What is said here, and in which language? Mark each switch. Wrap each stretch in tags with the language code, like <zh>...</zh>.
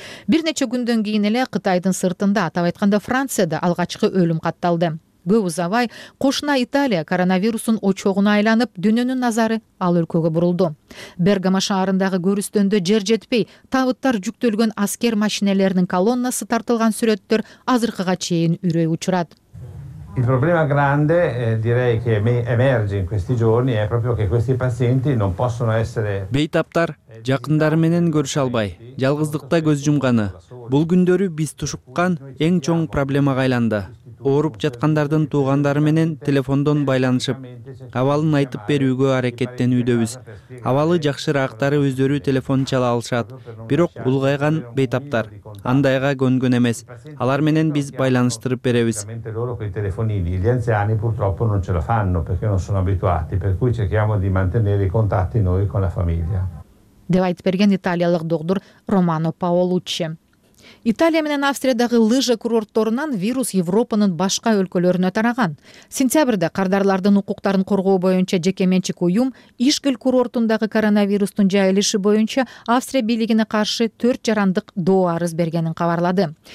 <ky>Бир нече күндөн кийин эле Кытайдын сыртында, атап айтканда Францияда алгачкы өлүм катталды. Көп узабай кошуна Италия коронавирусун очогуна айланып, дүйнөнүн назары ал өлкөгө бурулду. Бергамо шаарындагы көрүстөндө жер жетпей, табыттар жүктөлгөн аскер машинелеринин колоннасы тартылган сүрөттөр азыркыга чейин үрөй учурат.</ky> <it>Il problema grande, direi che emerge in questi giorni è proprio che questi pacienti non possono essere</it> <ky>бейтаптар жакындары менен көрүшө албай, жалгыздыкта көз жумганы. Бул күндөрү биз тушуккан эң чоң проблемага айланды. Ооруп жаткандардын туугандары менен телефондон байланышып, абалын айтып берүүгө аракеттенүүдөбүз. Абалы жакшыраактары өздөрү телефон чала алышат, бирок улгайган бейтаптар андайга көнгөн эмес. Алар менен биз байланыштырып беребиз.</ky> <it>Gli anziani purtroppo non ce la fanno perché non sono abituati, per cui cerchiamo di mantenere i contatti noi con la famiglia.</it> <ky>Деп айтып берген италиялык доктор Романо Паолуччи. Италия менен Австриядагы лыжа курортторунан вирус Европанын башка өлкөлөрүнө тараган. Сентябрда кардарлардын укуктарын коргоо боюнча жекеменчик уюм Ишкел курортундагы коронавирустун жайылышы боюнча Австрия бийлигине каршы 4 жарандык доо арыз бергенин кабарлады.</ky>